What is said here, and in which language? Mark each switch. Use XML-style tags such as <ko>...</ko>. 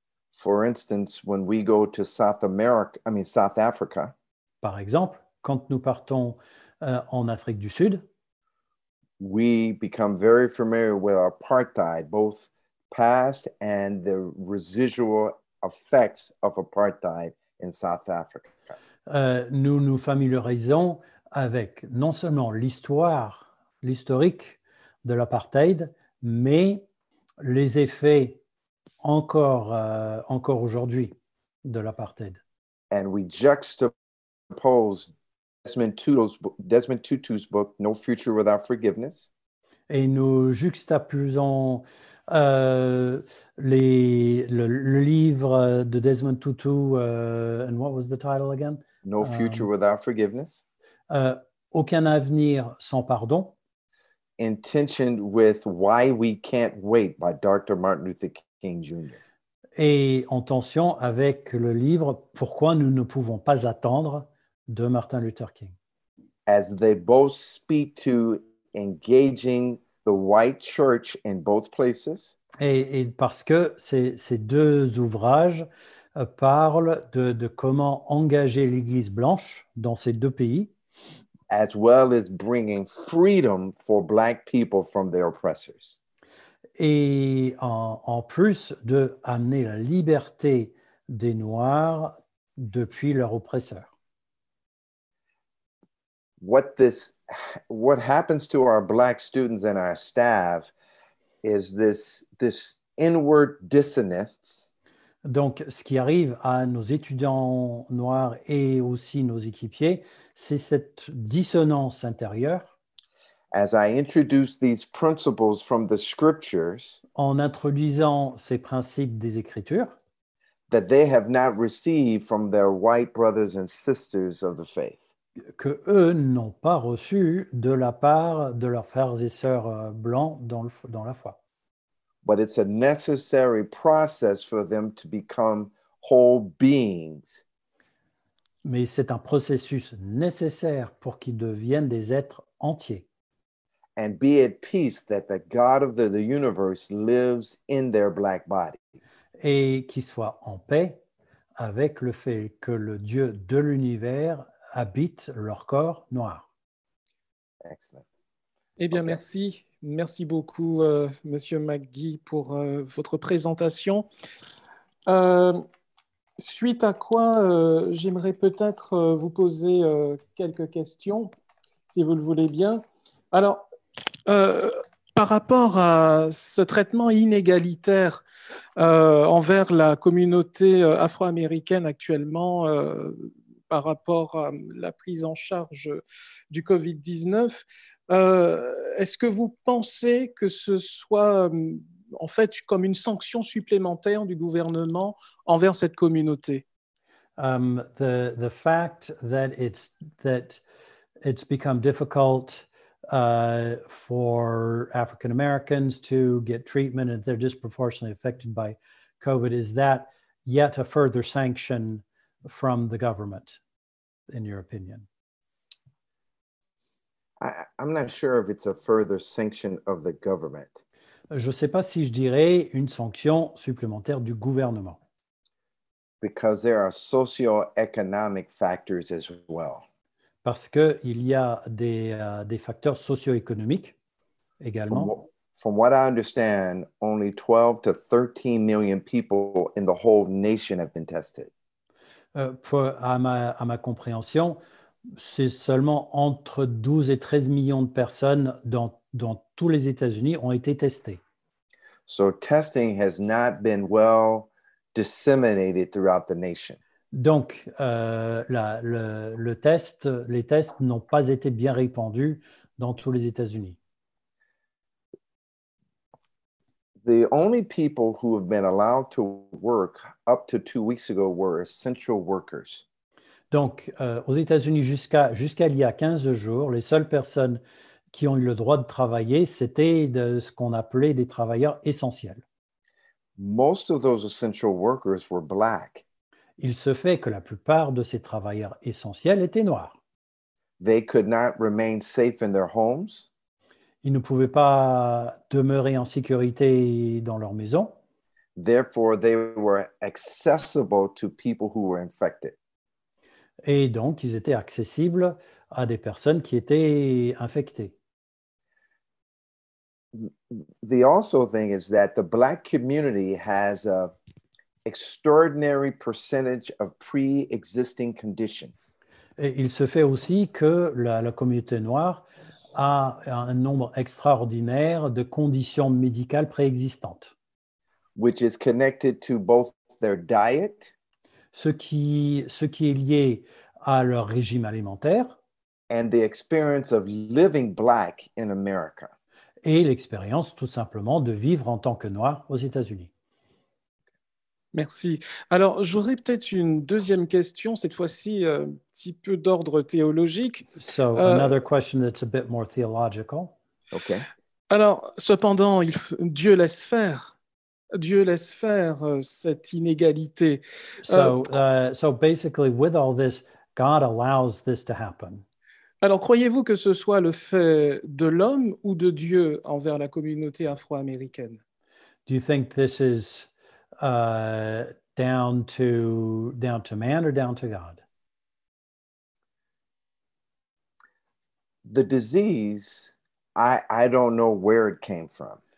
<en>For instance, when we go to South Africa,</en> <fr>par exemple, quand nous partons en Afrique du Sud,</fr> <en>we become very familiar with apartheid, both past and the residual effects of apartheid in South Africa.</en> <fr>Nous nous familiarisons avec non seulement l'historique de l'apartheid, mais les effets encore aujourd'hui de l'apartheid.</fr> <en>And we juxtapose Desmond Tutu's book, No Future Without Forgiveness.</en> <fr>Et nous juxtaposons le livre de Desmond Tutu,</fr> <en>and what was the title again? No Future Without Forgiveness.</en> <fr>Aucun avenir sans pardon.</fr> <en>Intentioned with Why We Can't Wait by Dr. Martin Luther King Jr.</en> <fr>Et en tension avec le livre Pourquoi nous ne pouvons pas attendre de Martin Luther King.</fr> <en>As they both speak to engaging the white church in both places.</en> <fr>Et parce que ces deux ouvrages parlent de comment engager l'Église blanche dans ces deux pays.</fr> <en>As well as bringing freedom for black people from their oppressors.</en> <fr>Et en plus de amener la liberté des Noirs depuis leurs oppresseurs.</fr> <en>What happens to our black students and our staff is this inward dissonance.</en> <fr>Donc, ce qui arrive à nos étudiants noirs et aussi nos équipiers, c'est cette dissonance intérieure.</fr> <en>As I introduce these principles from the scriptures,</en> <fr>en introduisant ces principes des Écritures,</fr> <en>that they have not received from their white brothers and sisters of the faith.</en> <fr>Que eux n'ont pas reçu de la part de leurs frères et sœurs blancs dans la foi.</fr> <en>But it's a necessary process for them to become whole beings.</en> <fr>Mais c'est un processus nécessaire pour qu'ils deviennent des êtres entiers.</fr> <en>and be at peace that the God of the universe lives in their black bodies.</en> <fr>Et qu'ils soient en paix avec le fait que le Dieu de l'univers habite leur corps noir.</fr> <en>Excellent.</en> <fr>Eh bien, okay. Merci. Merci beaucoup, Monsieur McGee, pour votre présentation. Suite à quoi, j'aimerais peut-être vous poser quelques questions, si vous le voulez bien. Alors, par rapport à ce traitement inégalitaire envers la communauté afro-américaine actuellement, par rapport à la prise en charge du COVID-19, est-ce que vous pensez que ce soit en fait comme une sanction supplémentaire du gouvernement envers cette communauté?</fr> <en>The fact that it's become difficult for African Americans to get treatment and they're disproportionately affected by COVID, is that yet a further sanction from the government, in your opinion? I'm not sure if it's a further sanction of the government.</en> <fr>Je ne sais pas si je dirais une sanction supplémentaire du gouvernement.</fr> <en>Because there are socio-economic factors as well.</en> <fr>Parce qu'il y a des facteurs socio-économiques également.</fr> <en>From what I understand, only 12 to 13 million people in the whole nation have been tested.</en> <fr>À ma compréhension, c'est seulement entre 12 et 13 millions de personnes dans tous les États-Unis ont été testées.</fr> <en>So testing has not been well disseminated throughout the nation.</en> <fr>Donc, les tests n'ont pas été bien répandus dans tous les États-Unis.</fr> <en>The only people who have been allowed to work up to 2 weeks ago were essential workers.</en> <fr>Donc, aux États-Unis, jusqu'à il y a 15 jours, les seules personnes qui ont eu le droit de travailler, c'était de ce qu'on appelait des travailleurs essentiels.</fr> <en>Most of those essential workers were black.</en> <fr>Il se fait que la plupart de ces travailleurs essentiels étaient noirs.</fr> <en>They could not remain safe in their homes.</en> <fr>Ils ne pouvaient pas demeurer en sécurité dans leur maison.</fr> <en>Therefore, they were accessible to people who were infected.</en> <fr>Et donc, ils étaient accessibles à des personnes qui étaient infectées.</fr> <en>The also thing is that the black community has an extraordinary percentage of pre-existing conditions.</en> <fr>Et il se fait aussi que la communauté noire a un nombre extraordinaire de conditions médicales préexistantes.</fr> <en>Which is connected to both their diet.</en> <fr>Ce qui est lié à leur régime alimentaire</fr> <en>and the experience of living black in America.</en> <fr>Et l'expérience tout simplement de vivre en tant que noir aux États-Unis. Merci. Alors, j'aurais peut-être une deuxième question, cette fois-ci un petit peu d'ordre théologique.</fr> <en>So, another question that's a bit more theological. Okay.</en> <fr>Alors, cependant, Dieu laisse faire. Dieu laisse faire cette inégalité.</fr> <en>So basically, with all this, God allows this to happen.</en> <fr>Alors, croyez-vous que ce soit le fait de l'homme ou de Dieu envers la communauté afro-américaine?</fr> <en>Do you think this is down to man or down to God? The disease, I don't know where it came from.</en>